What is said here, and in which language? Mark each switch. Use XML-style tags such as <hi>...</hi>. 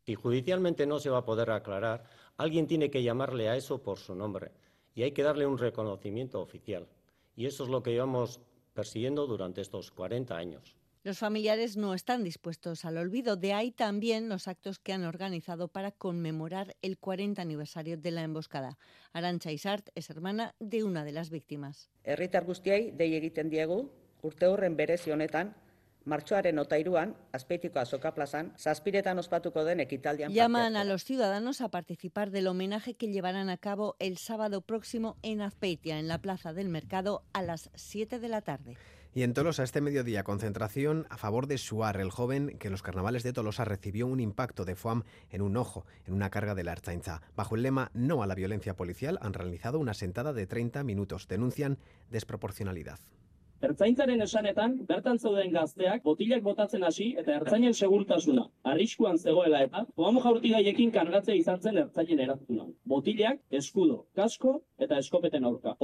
<es>Si judicialmente no se va a poder aclarar, alguien tiene que llamarle a eso por su nombre y hay que darle un reconocimiento oficial. Y eso es lo que llevamos persiguiendo durante estos 40 años. Los familiares no están dispuestos al olvido, de ahí también los actos que han organizado para conmemorar el 40 aniversario de la emboscada. Arantxa Izart es hermana de una de las víctimas.</es> <eu>Herritar guztiei dei egiten diegu urte horren berezi honetan, martxoaren otairuan, Azpeitiko Azoka plazan, zazpiretan ospatuko den ekitaldian.</eu> <es>Llaman a los ciudadanos a participar del homenaje que llevarán a cabo el sábado próximo en Azpeitia, en la Plaza del Mercado, a las 7 de la tarde. Y en Tolosa, este mediodía, concentración a favor de Suar, el joven que en los carnavales de Tolosa recibió un impacto de FUAM en un ojo, en una carga de la Ertzaintza. Bajo el lema No a la violencia policial, han realizado una sentada de 30 minutos. Denuncian desproporcionalidad.</es> <eu>Ertzaintzaren esanetan, bertan zeuden gazteak botilak botatzen hasi eta ertzainen segurtasuna. Arriskuan zegoela eta, FUAM jaurtigaiekin kargatzea izan zen ertzainen erantzuna. Botilak, eskudo, kasko eta eskopeten aurka.</eu>